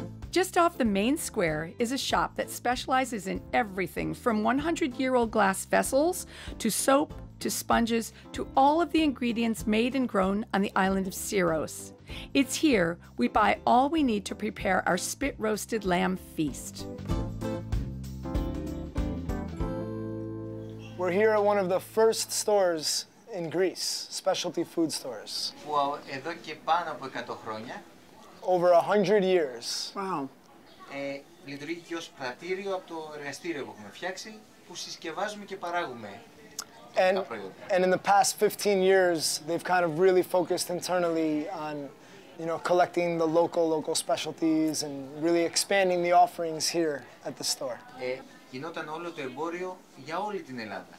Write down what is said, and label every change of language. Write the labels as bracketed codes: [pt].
[en] Just off the main square is a shop that specializes in everything from 100-year-old glass vessels to soap to sponges to all of the ingredients made and grown on the island of Syros. It's here we buy all we need to prepare our spit-roasted lamb feast. We're here at one of the first stores in Greece, specialty food stores. [el] Well, εδώ και πάνω από 100 χρόνια. [en] Over 100 years. Wow. [el] Λειτουργεί και ως πρατήριο από το εργαστήριο που έχουμε φτιάξει, που συσκευάζουμε και παράγουμε. [en] And in the past 15 years, they've kind of really focused internally on, you know, collecting the local specialties and really expanding the offerings here at the store. [el] Γινόταν όλο το εμπόριο για όλη την Ελλάδα.